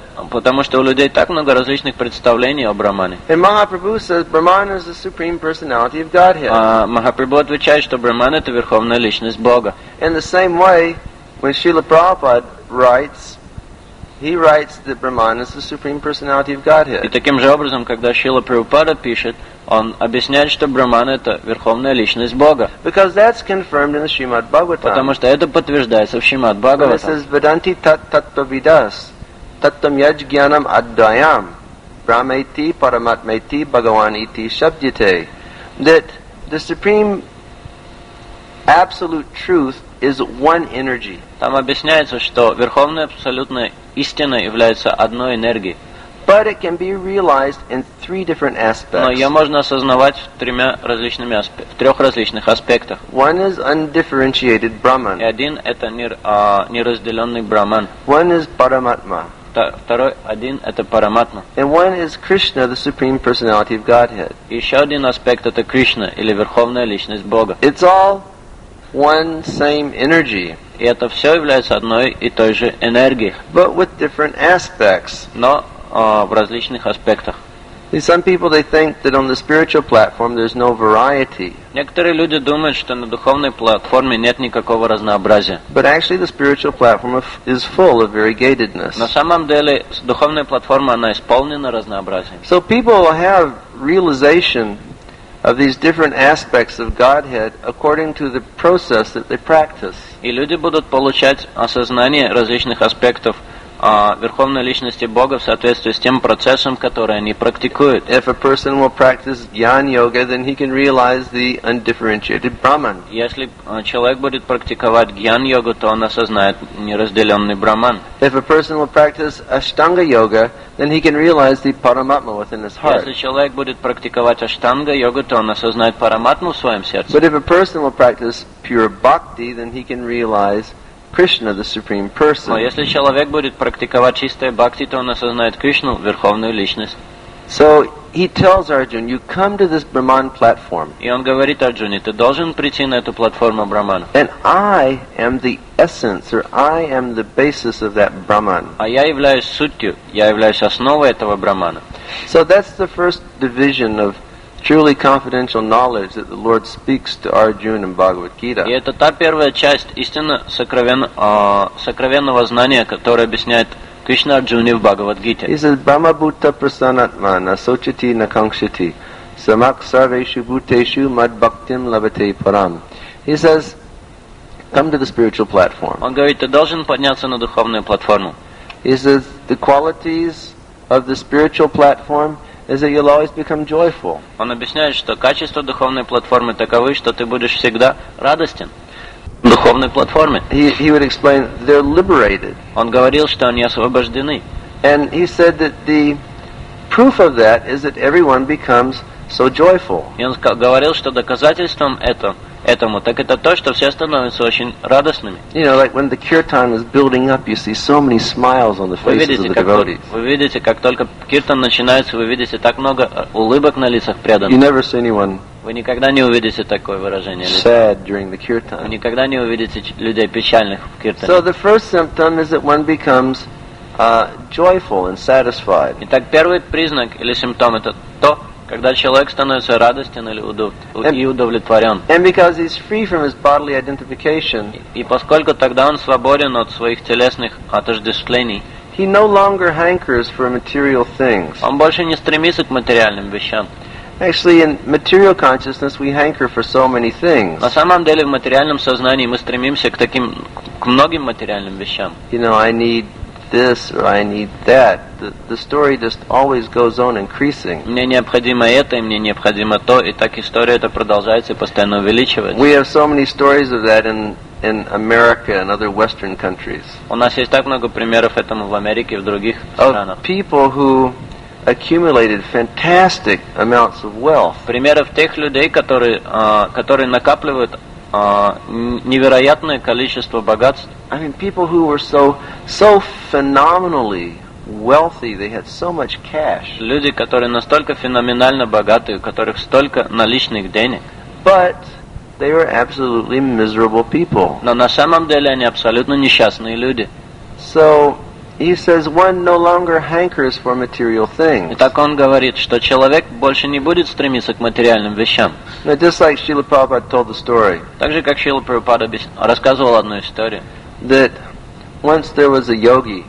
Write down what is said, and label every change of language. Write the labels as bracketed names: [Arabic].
[Russian] Потому что у людей так много различных представлений о Брахмане. [English] And Mahaprabhu says, Brahman is the supreme personality of Godhead. [Russian] Mahaprabhu отвечает, что Брахман это верховная личность Бога. [English] In the same way, when Srila Prabhupada writes, he writes that Brahman is the supreme personality of Godhead. [Russian] И таким же образом, когда Шрила Прабхупада пишет, он объясняет, что Брахман это верховная личность Бога. [English] Because that's confirmed in the Srimad Bhagavatam. [Russian] Потому что это подтверждается в Шримад Бхагаватам. [English] It says, [Sanskrit] Vedanti tat tattva vidas, tattam yaj gyanam adyayam, brahmeti paramatmeti bhagavan iti shabdite. [English] That the supreme absolute truth is one energy. [Russian] Там объясняется, что верховная абсолютная истина является одной энергией. [English] But it can be realized in three different aspects. [Russian] Но ее можно осознавать в тремя различными в трех различных аспектах. [English] One is undifferentiated Brahman. [Russian] И один это неразделенный Брахман. [English] One is Paramatma. [Russian] Второй один это Параматма. [English] And one is Krishna, the Supreme Personality of Godhead. [Russian] И еще один аспект это Кришна или Верховная Личность Бога. [English] It's all one same energy. [Russian] И это все является одной и той же энергией. [English] But with different aspects. [Russian] Но в различных аспектах. [English] See, some people they think that on the spiritual platform there's no variety. [Russian] Некоторые люди думают, что на духовной платформе нет никакого разнообразия. [English] But actually the spiritual platform is full of variegatedness. [Russian] На самом деле духовная платформа она исполнена разнообразием. [English] So people have realization of these different aspects of Godhead according to the process that they practice. [Russian] И люди будут получать осознание различных аспектов Верховной Личности Бога в соответствии с тем процессом, который они практикуют. [English] If a person will practice Gyan-yoga, then he can realize the undifferentiated Brahman. [Russian] Если человек будет практиковать Гьян-йогу, то он осознает неразделенный Брахман. [English] If a person will practice Ashtanga-yoga, then he can realize the Paramatma within his heart. [Russian] Если человек будет практиковать Ashtanga-yoga, то он осознает Параматму в своем сердце. [English] But if a person will practice pure bhakti, then he can realize Krishna, the Supreme Person. [Russian] Но если человек будет практиковать чистое бхакти, то он осознает Кришну, Верховную Личность. [English] So he tells Arjuna, you come to this Brahman platform. [Russian] И он говорит Арджуне, ты должен прийти на эту платформу Брахмана. [English] And I am the essence, or I am the basis of that Brahman. [Russian] А я являюсь сутью, я являюсь основой этого Брахмана. [English] So that's the first division of truly confidential knowledge that the Lord speaks to Arjuna in Bhagavad Gita. [Russian] И это та первая часть истинно сокровенного знания, которое объясняет Кришна Арджуне в Бхагавад Гите. [English] He says, [Sanskrit] Brahma Bhuta Prasannatma Nasochati Nakankshati Samak Sarveshu Bhuteshu Mad Bhaktim Labhate Param. [English] He says, come to the spiritual platform. [Russian] Он говорит, ты должен подняться на духовную платформу. [English] He says, the qualities of the spiritual platform is that you'll always become joyful. [Russian] Он объясняет, что качество духовной платформы таковы, что ты будешь всегда радостен. Духовной платформе. [English] He would explain they're liberated. [Russian] Он говорил, что они освобождены. [English] And he said that the proof of that is that everyone becomes so joyful. [Russian] И он говорил, что доказательством этому, так это то, что все становятся очень радостными. [English] You know, like when the kirtan is building up, you see so many smiles on the faces of the devotees. [Russian] Вы видите, как только киртан начинается, вы видите так много улыбок на лицах преданных. [English] You never see anyone. [Russian] Вы никогда не увидите такое выражение. [English] Sad during the kirtan. [Russian] Вы никогда не увидите людей печальных в киртане. [English] So the first symptom is that one becomes joyful and satisfied. [Russian] Итак, первый признак или симптом это то, когда человек становится радостен или удовлетворен. [English] And because he's free from his bodily identification, [Russian] и поскольку тогда он свободен от своих телесных отождествлений, [English] he no longer hankers for material things. [Russian] Он больше не стремится к материальным вещам. [English] Actually, in material consciousness, we hanker for so many things. [Russian] На самом деле, в материальном сознании мы стремимся к таким, к многим материальным вещам. [English] You know, I need this or I need that. The story just always goes on increasing. [Russian] Мне необходимо это, мне необходимо то, и так история эта продолжается и постоянно увеличивается. [English] We have so many stories of that in America and other Western countries. [Russian] У нас есть так много примеров этому в Америке и в других странах. [English] Of people who accumulated fantastic amounts of wealth. [Russian] Примеров тех людей, которые накапливают невероятное количество богатств. [English] I mean, people who were so phenomenally wealthy, they had so much cash. [Russian] Люди, которые настолько феноменально богаты, у которых столько наличных денег. [English] But they were absolutely miserable people. [Russian] Но на самом деле они абсолютно несчастные люди. [English] So he says one no longer hankers for material things. [Russian] Итак, он говорит, что человек больше не будет стремиться к материальным вещам. [English] Now, just like Srila Prabhupada told the story. [Russian] Так же, как Шрила Прабхупада рассказывал одну историю. [English] That once there was a yogi,